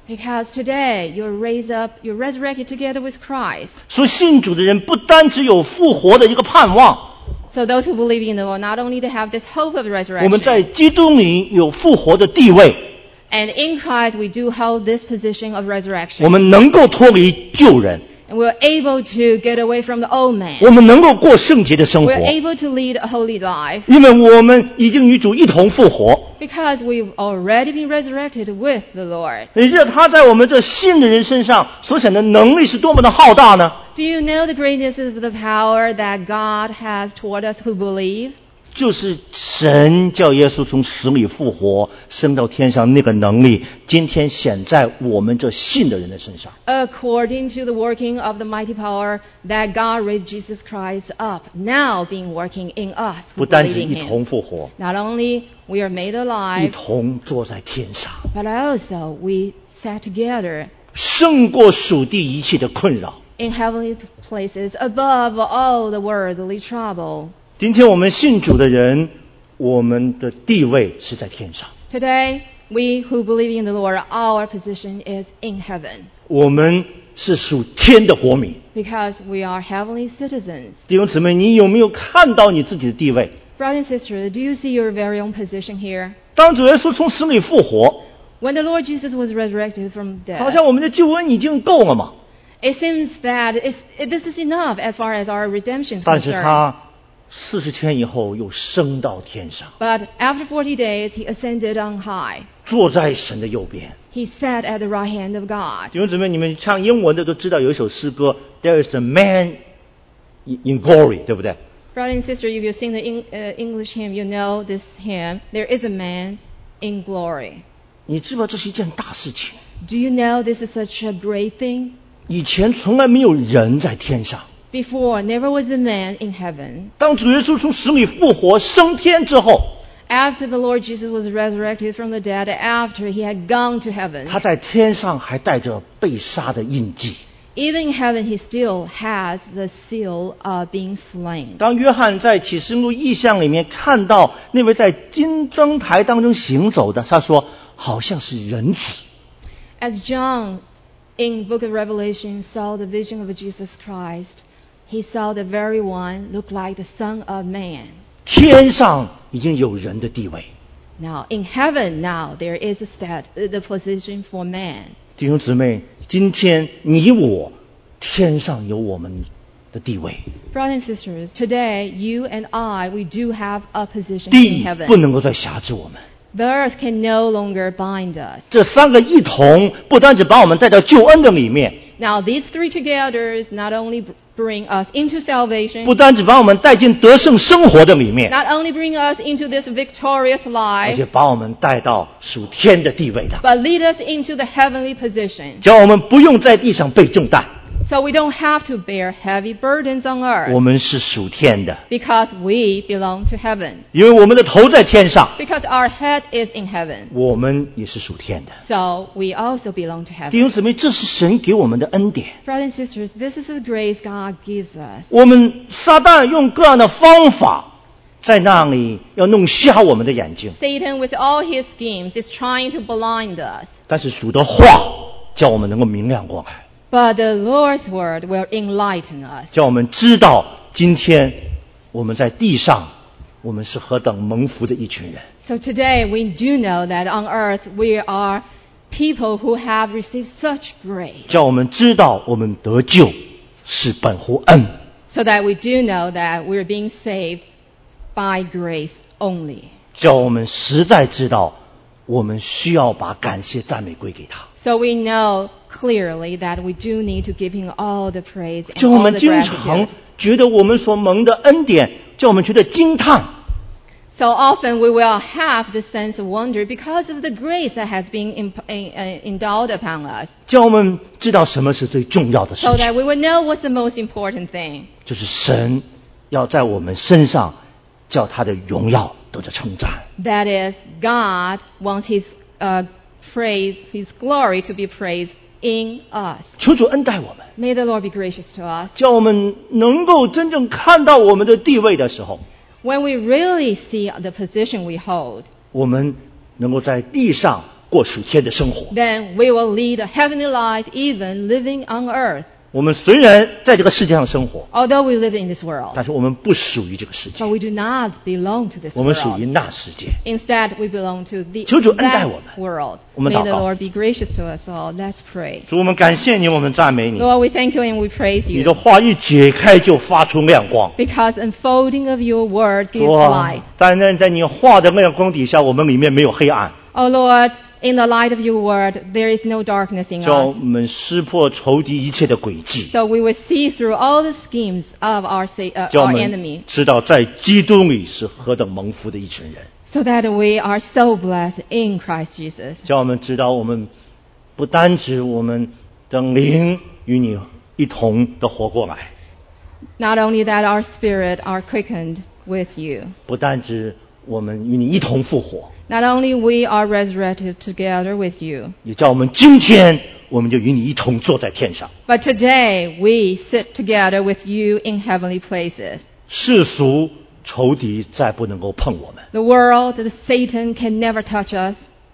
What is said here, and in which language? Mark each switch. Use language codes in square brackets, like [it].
[en] Because today you're raised up, you're resurrected together with Christ. [zh] 所以信主的人不单只有复活的一个盼望。 [en] So those who believe in the Lord not only they have this hope of resurrection. [zh] 我们在基督里有复活的地位。 [en] And in Christ we do hold this position of resurrection. [zh] 我们能够脱离旧人。 [en] And we're able to get away from the old man. [zh] 我们能够过圣洁的生活。 [en] We're able to lead a holy life. [zh] 因为我们已经与主一同复活。 [en] Because we've already been resurrected with the Lord. [zh] 你知道他在我们这信的人身上所显的能力是多么的浩大呢？ [en] Do you know the greatness of the power that God has toward us who believe? [zh] 就是神叫耶稣从死里复活升到天上那个能力今天显在我们这信的人的身上。 [en] According to the working of the mighty power that God raised Jesus Christ up, now being working in us, [zh] 不单只一同复活。 [en] Not only we are made alive, [zh] 一同坐在天上。 [en] But also we sat together, [zh] 胜过属地一切的困扰。 [en] In heavenly places, above all the worldly trouble. [zh] 今天我们信主的人，我们的地位是在天上。 [en] Today, we who believe in the Lord, our position is in heaven. [zh] 我们是属天的国民。 [en] Because we are heavenly citizens. [zh] 弟兄姊妹，你有没有看到你自己的地位？ [en] Brother and sister, do you see your very own position here? [zh] 当主耶稣从死里复活， [en] When the Lord Jesus was resurrected from death, [zh] 好像我们的救恩已经够了嘛。 [en] It seems that this is enough as far as our redemption is concerned. [zh] 但是他四十天以后又升到天上。 [en] But after 40 days, he ascended on high. [zh] 坐在神的右边。 [en] He sat at the right hand of God. [zh] 弟兄姊妹，你们唱英文的都知道有一首诗歌 ， [en] There is a man in glory， [zh] 对不对 [en] ？Brother and sister, if you sing the English hymn, you know this hymn. There is a man in glory. [zh] 你知道这是一件大事情。 [en] Do you know this is such a great thing? [zh] 以前从来没有人在天上。 [en] Before, never was a man in heaven. [zh] 当主耶稣从死里复活升天之后， [en] After the Lord Jesus was resurrected from the dead, after he had gone to heaven, [zh] 他在天上还带着被杀的印记。 [en] Even in heaven, he still has the seal of being slain. [zh] 当约翰在启示录异象里面看到那位在金灯台当中行走的，他说好像是人子。 [en] As John in Book of Revelation saw the vision of Jesus Christ, he saw the very one look like the Son of Man. [zh] 天上已经有人的地位。 [en] Now in heaven, now there is a the position for man. [zh] 弟兄姊妹，今天你我天上有我们的地位。 [en] Brothers and sisters, today you and I, we do have a position in heaven. [zh] 地不能够再辖制我们。 [en] The earth can no longer bind us. [zh] 这三个一同不单只把我们带到救恩的里面。 [en] Now these three together is not only bring us into salvation. [zh] 不单只把我们带进得胜生活的里面。 [en] Not only bring us into this victorious life. [zh] 而且把我们带到属天的地位的。 [en] But lead us into the heavenly position. [zh] 叫我们不用在地上背重担。 [en] So we don't have to bear heavy burdens on earth. [zh] 我们是属天的。 [en] Because we belong to heaven. [zh] 因为我们的头在天上。 [en] Because our head is in heaven. [zh] 我们也是属天的。 [en] So we also belong to heaven. [zh] 弟兄姊妹，这是神给我们的恩典。 [en] Brothers and sisters, this is the grace God gives us. [zh] 我们撒旦用各样的方法在那里要弄瞎我们的眼睛。 [en] Satan with all his schemes is trying to blind us. [zh] 但是主的话叫我们能够明亮过来。 [en] But the Lord's word will enlighten us. [zh] 叫我们知道今天我们在地上我们是何等蒙福的一群人。 [en] So today we do know that on earth we are people who have received such grace. [zh] 叫我们知道我们得救是本乎恩。 [en] So that we do know that we are being saved by grace only. [zh] 叫我们实在知道我们需要把感谢赞美归给他。 [en] So we know clearly that we do need to give him all the praise and [zh] 叫我们经常觉得我们所蒙的恩典叫我们觉得惊叹。 [en] So often we will have the sense of wonder because of the grace that has been endowed upon us. [zh] 叫我们知道什么是最重要的事情。 [en] So that we will know what's the most important thing. [zh] 就是神要在我们身上叫他的荣耀得着称赞。 [en] That is, God wants his praise, his glory to be praised in us. [zh] 求主恩待我们。 [en] May the Lord be gracious to us. [zh] 叫我们能够真正看到我们的地位的时候， [en] When we really see the position we hold, [zh] 我们能够在地上过属天的生活。 [en] Then we will lead a heavenly life, even living on earth. [zh] 我们虽然在这个世界上生活， [en] Although we live in this world, [zh] 但是我们不属于这个世界。 [en] But we do not belong to this world. [zh] 我们属于那世界。 [en] Instead, we belong to the world. [zh] 求主恩待我们。我们祷告。 [en] May the Lord be gracious to us all. Let's pray. [zh] 主，我们感谢你，我们赞美你。 [en] Lord, we thank you and we praise you. [zh] 你的话一解开就发出亮光。 [en] Because unfolding of your word gives light. [zh] 在你话的亮光底下，我们里面没有黑暗。 [en] Oh Lord, in the light of your word, there is no darkness in us. [zh] 叫我们识破仇敌一切的诡计。 [en] So we will see through all the schemes of our enemy. [zh] 知道在基督里是何等蒙福的一群人。 [en] So that we are so blessed in Christ Jesus. [zh] 叫我们知道我们不单指我们的灵与你一同的活过来。 [en] Not only that our spirit are quickened with you. [zh] 不单指我们与你一同复活。 [en] Not only we are resurrected together with you. [zh] 也叫我们今天我们就与你一同坐在天上。 [en] But today we sit together with you in heavenly places. [zh] 世俗仇敌再不能够碰我们。 [en] The world, the Satan can never touch us.